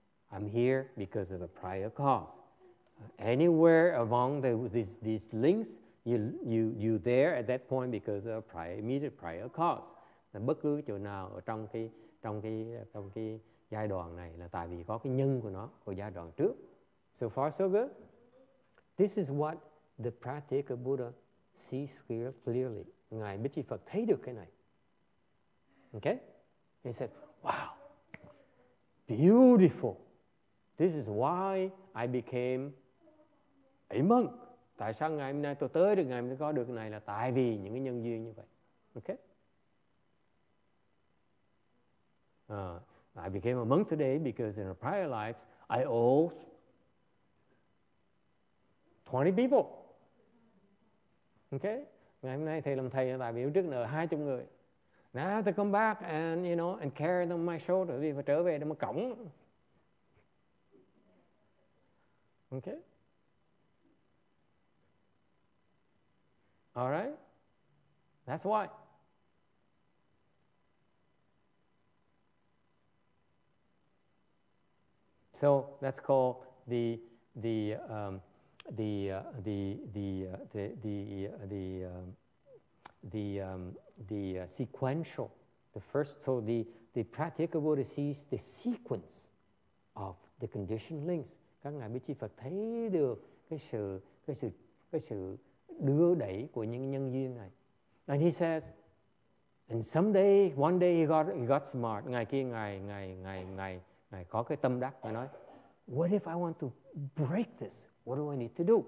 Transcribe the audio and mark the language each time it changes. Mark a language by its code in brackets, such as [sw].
[en] I'm here because of a prior cause. Anywhere among these links, you there at that point because of a prior cause. [vi] Là bất cứ chỗ nào ở trong cái giai đoạn này là tại vì có cái nhân của nó của giai đoạn trước. [en] So far so good. This is what the Pratika Buddha sees clearly. [vi] Ngài Bích Chi Phật thấy được cái này. Okay? [en] He said, wow, beautiful. This is why I became a monk. [vi] Tại sao ngày hôm nay tôi tới được, ngày hôm nay có được cái này là tại vì những cái nhân duyên như vậy. Okay? [en] I became a monk today because in a prior life, I owed 20 people. Okay? [vi] Ngày hôm nay thầy làm thầy tại vì trước nợ 20 người. [en] Now I have to come back and, you know, and carry them on my shoulder. [vi] Đi và trở về để mà cõng. [en] Okay. All right. That's why. So that's called the sequential. The first. So the practical Buddha sees the sequence of the conditioned links. [vi] Các ngài Bích Chi Phật thấy được cái sự đưa đẩy của những nhân duyên này. [en] And he says, and someday, one day he got smart. [vi] Ngài kia ngài có cái tâm đắc, ngài nói, [en] what if I want to break this? What do I need to do?